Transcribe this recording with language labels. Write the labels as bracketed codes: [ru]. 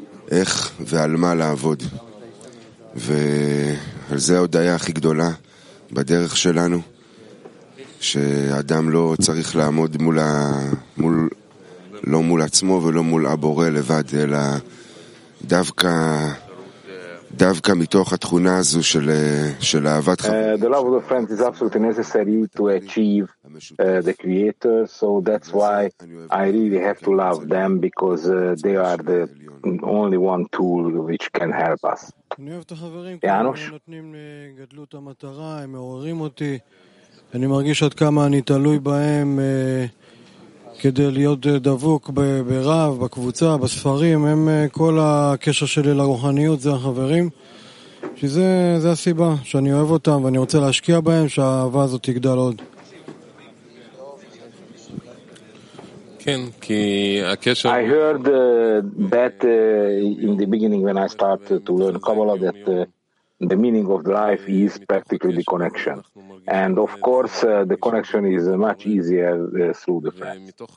[he] איך ועל מה לעבוד. ועל זה ההודעה הכי גדולה בדרך שלנו, שאדם לא צריך לעמוד מול, לא מול עצמו ולא מול הבורא לבד, אלא דווקא דווקא מתוך התכונה הזו של אהבת חברים. [en] The love of the friends is absolutely necessary to achieve the creator, so that's why I really have to love them, because they are the only one tool which can help us. [he] אני אוהב את החברים, כי הם נותנים גדלות המטרה, הם מעוררים אותי. אני מרגיש עד כמה אני תלוי בהם כדי להיות דבוק ברב, בקבוצה, בספרים. הם כל הקשר שלי לרוחניות, זה החברים. שזה זה הסיבה שאני אוהב אותם ואני רוצה להשקיע בהם, שהאהבה הזאת תגדל עוד. כן, כי הקשר... [en] I heard that in the beginning when I started to learn Kabbalah that the meaning of life is practically the connection. And of course, the connection is much easier through the friends.